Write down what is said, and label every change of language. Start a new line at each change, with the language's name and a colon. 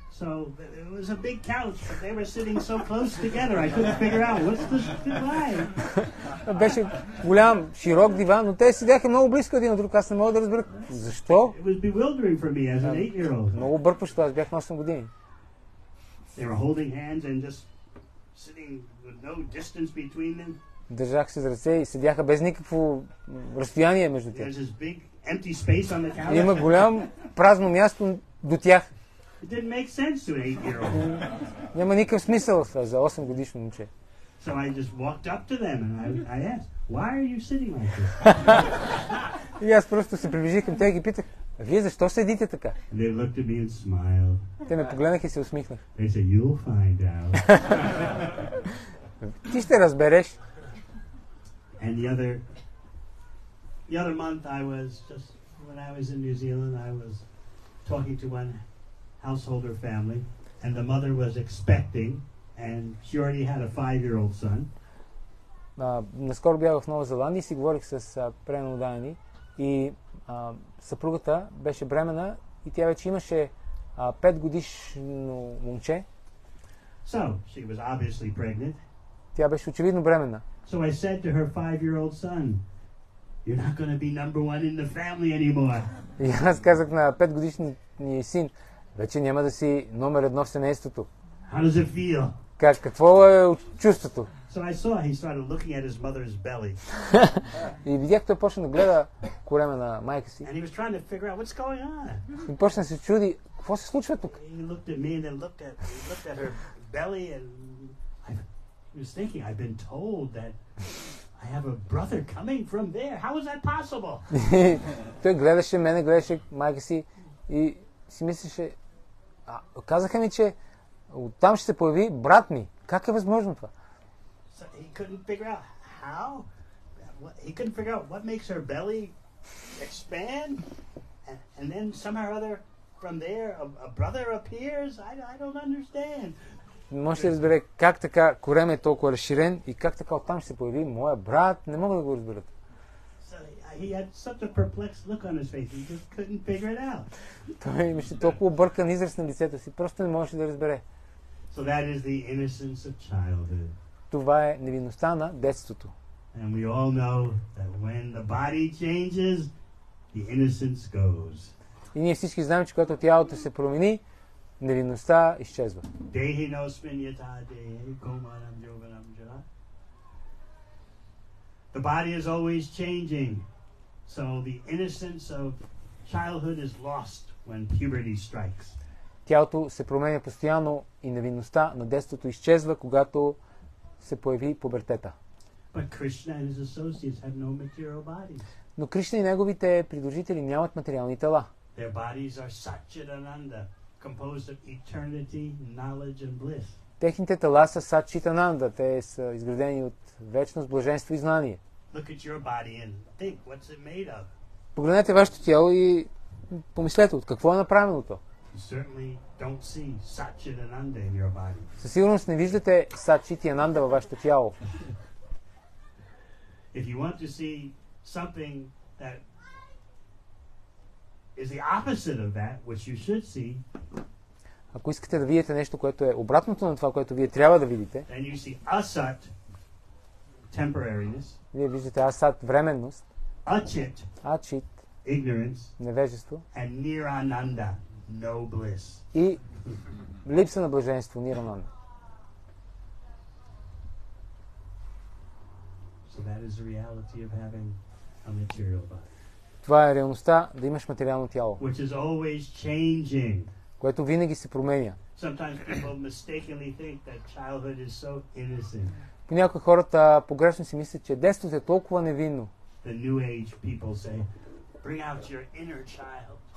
English: So it was a big couch, but they were sitting so close together, I couldn't figure out what's the divide.
Bulgarian: Беше голям, широк диван, но те седяха много близко един от друг, аз не мога да разбера защо.
English: It was bewildering for me as an 8-year-old.
Bulgarian: Много бъркващо, аз бях на 8 години.
English: They were holding hands and just sitting with no distance between them.
Bulgarian: Държах се за ръце и седяха без никакво разстояние между тях.
English: There's this big empty space on the couch.
Bulgarian: Има голям празно място до тях.
English: It didn't make sense to an 8-year-old.
Bulgarian: Няма никакъв смисъл за 8 годишно момче.
English: So I just walked up to them and I asked, "Why are you sitting like this?"
Bulgarian: И аз просто се приближих към тях и питах: "Вие защо седите така?"
English: And they looked at me and smiled.
Bulgarian: Те ме погледнаха и се усмихнах.
English: They said, "You'll find out."
Bulgarian: Ти ще разбереш.
English: And the other month I was just when I was in New Zealand, I was talking to one householder family, and the mother was expecting, and she already had a 5-year-old son.
Bulgarian: Наскоро бях в Нова Зеландия и си говорих с преданодани, и съпругата беше бременна, и тя вече имаше 5-годишно момче.
English: So, she was obviously pregnant.
Bulgarian: Тя беше очевидно бременна.
English: So I said to her 5-year-old son, "You're not going to be number one in the family anymore."
Bulgarian: И аз казах на 5-годишния син: Вече няма да си номер едно в семейството.
English: How does it feel?
Bulgarian: Как, какво е чувството?
English: So I saw he started looking at his mother's belly.
Bulgarian: И видях, той почна да гледа корема на майка си.
English: And he was trying to figure out what's going on.
Bulgarian: И почна да се чуди, какво се случва тук?
English: He looked at me and then looked at her belly and I was thinking, I've been told that I have a brother coming from there. How is that possible?
Bulgarian: Той гледаше мене, гледаше майка си и си мислеше, казаха ми, че оттам ще се появи брат ми. Как е възможно това?
English: So he couldn't figure out how. He couldn't figure out what makes her belly expand. And then somehow or other from there a brother appears. I don't understand.
Bulgarian: Може ли да разбере как така корем е толкова разширен и как така оттам ще се появи моя брат? Не мога да го разбера.
English: He had such a perplexed look on his face. He just couldn't figure it out.
Bulgarian: Той имаше толкова объркан израз на лицето си, просто не можеше да разбере.
English: So that is the innocence of childhood.
Bulgarian: Това е невинността на детството.
English: And we all know that when the body changes, the innocence goes.
Bulgarian: И ние всички знаем, че когато тялото се промени, невинността изчезва.
Sanskrit: Dehi nos vinyata dehi komaram jovanam jara.
English: The body is always changing. So the innocence of childhood is lost when puberty strikes.
Bulgarian: Тялото се променя постоянно и невинността на детството изчезва, когато се появи пубертета.
English: But Krishna and his associates have no material bodies.
Bulgarian: Но Кришна и неговите придружители нямат материални тела.
English: Their bodies are Satchitananda, composed of eternity, knowledge and bliss.
Bulgarian: Техните тела са Satchitananda, те са изградени от вечност, блаженство и знание.
English: Look at your body and think, what's it made of?
Bulgarian: Погледнете вашето тяло и помислете от какво е направено то.
English: You certainly don't see Satchitananda in your body.
Bulgarian: Със сигурност не виждате Satchitananda във вашето тяло.
English: If you want to see something that is the opposite of that, which you should see.
Bulgarian: Ако искате да видите нещо, което е обратното на това, което вие трябва да видите,
English: then you see asat, temporariness.
Bulgarian: Вие виждате асат, временност,
Sanskrit: ачит, ачит,
English: ignorance,
Bulgarian: невежество,
English: and нирананда, no bliss.
Bulgarian: И липса на блаженство, нирананда.
English: So that is the reality of having a material body.
Bulgarian: Това е реалността да имаш материално тяло,
English: which is always changing.
Bulgarian: Което винаги се променя.
English: Sometimes people mistakenly think that childhood is so innocent.
Bulgarian: Понякога хората погрешно си мислят, че детството е толкова невинно.
English: The New Age people say, bring out your inner child.